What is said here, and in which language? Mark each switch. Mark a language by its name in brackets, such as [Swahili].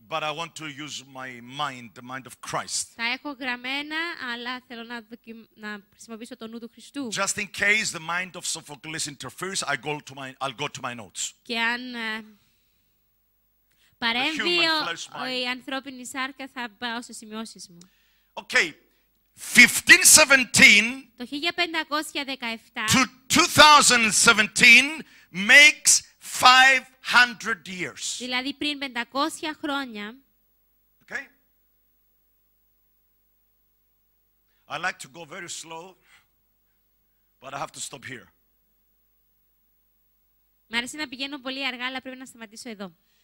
[English] But I want to use my mind, the mind of Christ. [Greek] Τα έχω γραμμένα, αλλά θέλω να χρησιμοποιήσω το νου του Χριστού. [English] Just in case the mind of Sophocles interferes, I'll go to my notes. [Greek] Και αν παρέμβει η ανθρώπινη σάρκα, θα πάω στις σημειώσεις μου. [English] Okay, 1517. [Greek] Το 1517. [English] To 2017 makes 500 years. [Greek] Δηλαδή πριν 500 χρόνια. [English] Okay. I like to go very slow, but I have to stop here. [Greek] Μ' αρέσει να πηγαίνω πολύ αργά, αλλά πρέπει να σταματήσω εδώ.